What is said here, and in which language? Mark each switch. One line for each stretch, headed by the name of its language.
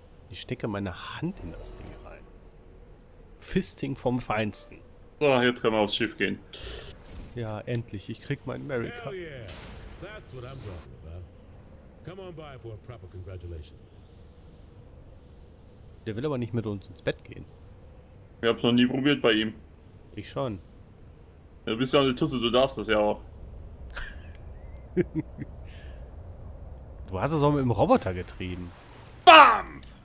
German: Ich stecke meine Hand in das Ding rein. Fisting vom Feinsten. So, jetzt können wir aufs Schiff gehen. Ja, endlich. Ich krieg meinen America.
English: Hell yeah. That's what I'm talking about. Come on by for a proper congratulation.
German: Der will aber nicht mit uns ins Bett gehen. Ich hab's noch nie probiert bei ihm. Ich schon. Ja, du bist ja eine Tusse, du darfst das ja auch. Du hast es auch mit dem Roboter getrieben. Bam!